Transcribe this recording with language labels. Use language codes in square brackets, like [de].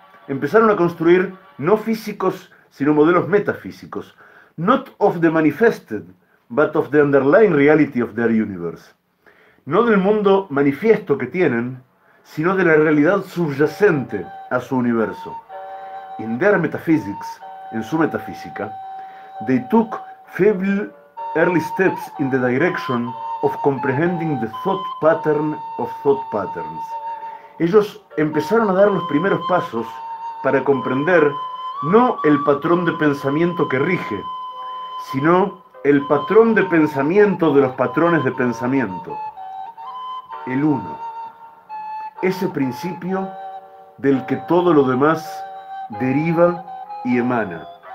[es] Empezaron a construir no físicos sino modelos metafísicos, [en] not of the manifested, but of the underlying reality of their universe. [es] No del mundo manifiesto que tienen, sino de la realidad subyacente a su universo. [en] In their metaphysics, [es] en su metafísica, [en] they took feeble early steps in the direction of comprehending the thought pattern of thought patterns. [es] Ellos empezaron a dar los primeros pasos para comprender no el patrón de pensamiento que rige, sino el patrón de pensamiento de los patrones de pensamiento. El uno. Ese principio del que todo lo demás deriva y emana.